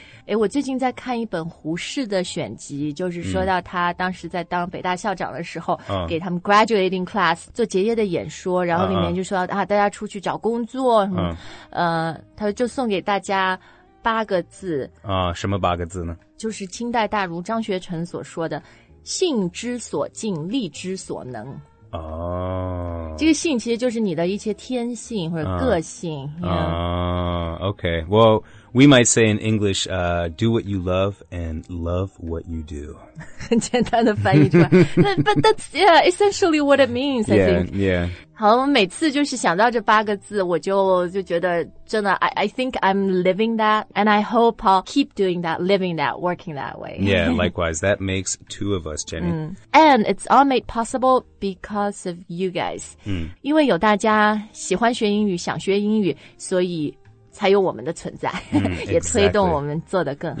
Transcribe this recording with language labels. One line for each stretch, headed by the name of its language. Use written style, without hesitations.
Chinese: 诶，我最近在看一本胡适的选集，就是说到他当时在当北大校长的时候、给他们 graduating class 做结业的演说，然后里面就说到、大家出去找工作什么、他就送给大家八个字啊、什么八个字呢？就是清代大儒张学成所说的性之所敬，力之所能。哦，这个性其实就是你的一些天性或者个性、
English: OK, well,We might say in English, do what you love and love what you do.
Chinese: 很简单的翻译出来。
English: But that's, yeah, essentially what it means, yeah, I think. Yeah.
Chinese: 好，我每次就是想到这八个字，我就觉得真的
English: I think I'm living that, and I hope I'll keep doing that, living that, working that way. Yeah, likewise. That makes two of us, Jenny. And it's all made possible because of you guys.
Chinese: 因为有大家喜欢学英语，想学英语，所以才有我们的存在、也推动我们做得更好。